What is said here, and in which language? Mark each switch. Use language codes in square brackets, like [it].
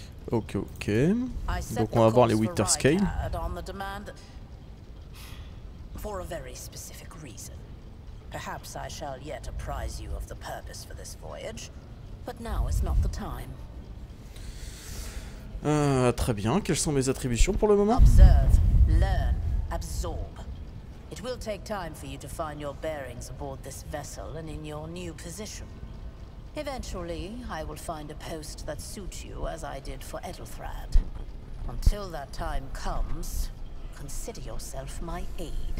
[fr] Okay. Donc on va voir les Winterscale. [en] On the demand for a very specific reason. Perhaps I shall yet apprise you of the purpose for this voyage, but now is not the time. [fr] Très bien, quelles sont mes attributions pour le moment? [en] Observe, learn, absorb. It will take time for you to find your bearings aboard this vessel and in your new position. Eventually, I will find a post that suits you as I did for Edelthrad. Until that time comes, consider yourself my aid.